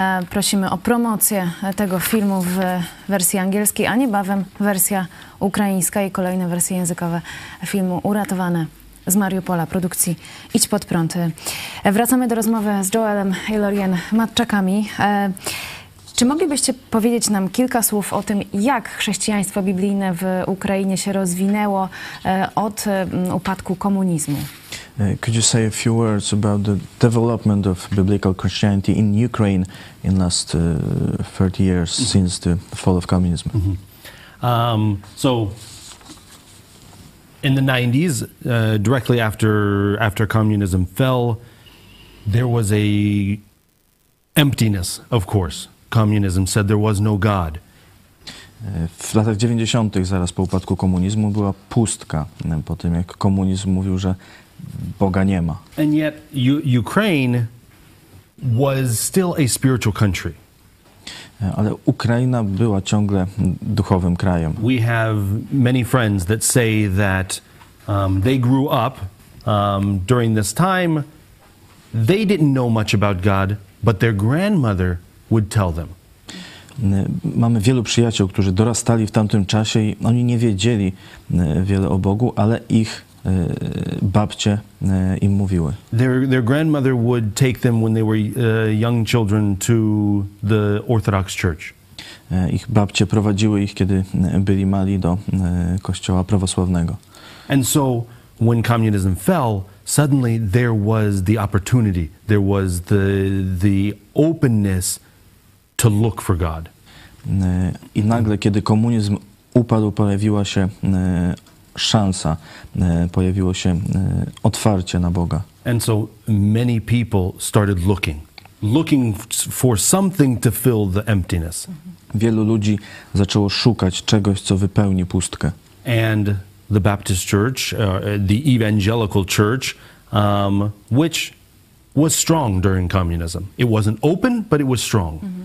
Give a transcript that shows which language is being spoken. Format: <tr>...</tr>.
<pl>Prosimy o promocję tego filmu w wersji angielskiej, a niebawem wersja ukraińska i kolejne wersje językowe filmu Uratowane z Mariupola, produkcji Idź Pod Prąd. Wracamy do rozmowy z Joelem i Lorien Matczakami. Czy moglibyście powiedzieć nam kilka słów o tym, jak chrześcijaństwo biblijne w Ukrainie się rozwinęło od upadku komunizmu?</pl> <en>Could you say a few words about the development of biblical Christianity in Ukraine in last 30 years mm-hmm. since the fall of communism? Mm-hmm. So in the 90s, directly after communism fell, there was a emptiness, of course. Communism said there was no God.</en> <pl>W latach 90. zaraz po upadku komunizmu była pustka, po tym jak komunizm mówił, że Boga nie ma.</pl> <en>And yet Ukraine was still a spiritual country.</en> <pl>Ale Ukraina była ciągle duchowym krajem.</pl> <en>We have many friends that say that they grew up during this time. They didn't know much about God, but their grandmother would tell them.</en> <pl>Mamy wielu przyjaciół, którzy dorastali w tamtym czasie i oni nie wiedzieli wiele o Bogu, ale ich babcie im mówiły.</pl> <en>Their grandmother would take them when they were young children to the Orthodox Church.</en> <pl>Ich babcie prowadziły ich, kiedy byli mali, do kościoła prawosławnego.</pl> <en>And so when communism fell, suddenly there was the opportunity, there was the openness to look for God.</en> <pl>I nagle, kiedy komunizm upadł, pojawiła się szansa, pojawiło się otwarcie na Boga.</pl> <en>And so many people started looking for something to fill the emptiness.</en> <pl>Wielu ludzi zaczęło szukać czegoś, co wypełni pustkę.</pl> <en>And the Baptist Church, the Evangelical Church, which was strong during communism. It wasn't open, but it was strong.</en>